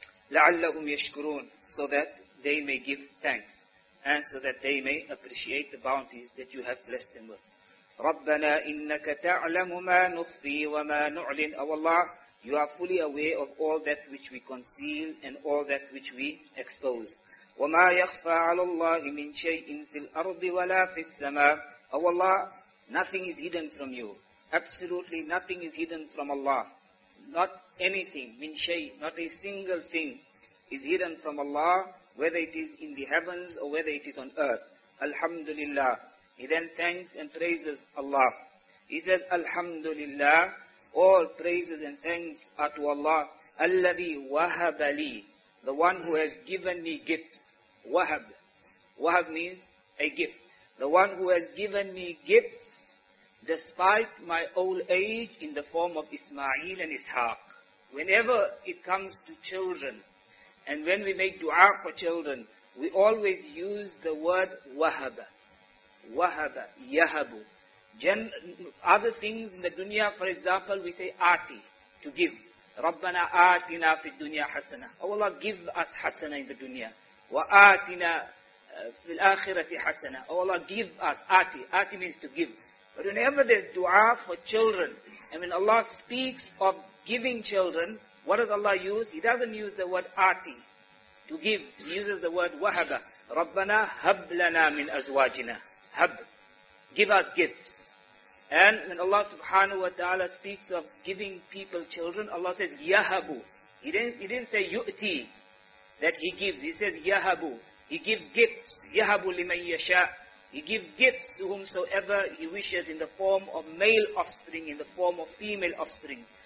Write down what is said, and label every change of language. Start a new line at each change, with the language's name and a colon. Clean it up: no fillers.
Arabic: لَعَلَّهُمْ يَشْكُرُونَ
English: So that they may give thanks and so that they may appreciate the bounties that you have blessed them with.
Arabic: رَبَّنَا إِنَّكَ تَعْلَمُ مَا نُخْفِي وَمَا نُعْلِنْ
English: O Allah, you are fully aware of all that which we conceal and all that which we expose.
Arabic: وَمَا يَخْفَى عَلَى اللَّهِ مِنْ شَيْءٍ فِي الْأَرْضِ وَلَا فِي السَّمَاءِ
English: O Allah, nothing is hidden from you. Absolutely nothing is hidden from Allah. Not anything,
Arabic: مِنْ شَيْءٍ,
English: not a single thing is hidden from Allah, whether it is in the heavens or whether it is on earth. Alhamdulillah. He then thanks and praises Allah. He says, Alhamdulillah, all praises and thanks are to Allah.
Arabic: الَّذِي وَهَبَ لِي
English: The one who has given me gifts. Wahab. Wahab means a gift. The one who has given me gifts despite my old age in the form of Ismail and Ishaq. Whenever it comes to children, and when we make dua for children, we always use the word wahab. Wahab. Yahabu. Other things in the dunya, for example, we say ati, to give.
Arabic: رَبَّنَا آتِنَا فِي الدُّنْيَا حَسَنَةً
English: Oh Allah, give us hasana in the dunya.
Arabic: وَآتِنَا فِي الْآخِرَةِ حَسَنَةً
English: Oh Allah, give us, آتِ. آتِ means to give. But whenever there's dua for children, and when Allah speaks of giving children, what does Allah use? He doesn't use the word آتِ, to give. He uses the word وَهَبَ.
Arabic: رَبَّنَا هَبْ لَنَا مِنْ أَزْوَاجِنَا هَبْ
English: Give us gifts. And when Allah subhanahu wa ta'ala speaks of giving people children, Allah says, Yahabu. He didn't say yu'ti, that he gives. He says, Yahabu. He gives gifts. Yahabu liman yasha. He gives gifts to whomsoever he wishes in the form of male offspring, in the form of female offspring.